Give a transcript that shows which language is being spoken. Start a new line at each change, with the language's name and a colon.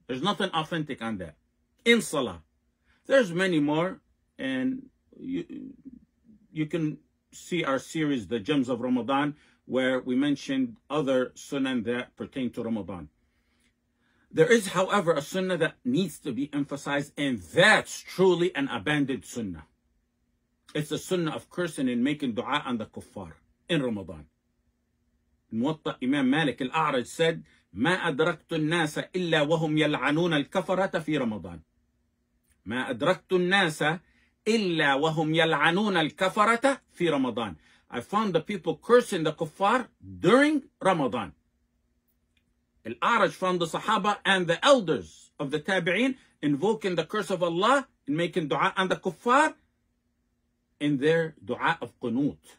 English: There's nothing authentic on that. In salah. There's many more, and you can see our series, The Gems of Ramadan, where we mentioned other sunan that pertain to Ramadan. There is, however, a sunnah that needs to be emphasized, and that's truly an abandoned sunnah. It's the sunnah of cursing and making dua on the kuffar in Ramadan.
Arabic: Muwatta Imam Malik al-A'raj said, مَا أَدْرَكْتُ النَّاسَ إِلَّا وَهُمْ يَلْعَنُونَ الْكَفَرَةَ فِي رَمَضَانِ ما أدركت الناس إلا وهم يلعنون الكفرة في رمضان.
English: I found the people cursing the kuffar during Ramadan. Al-A'raj found the Sahaba and the elders of the Tabi'in invoking the curse of Allah and making dua on the kuffar in their dua of qunut.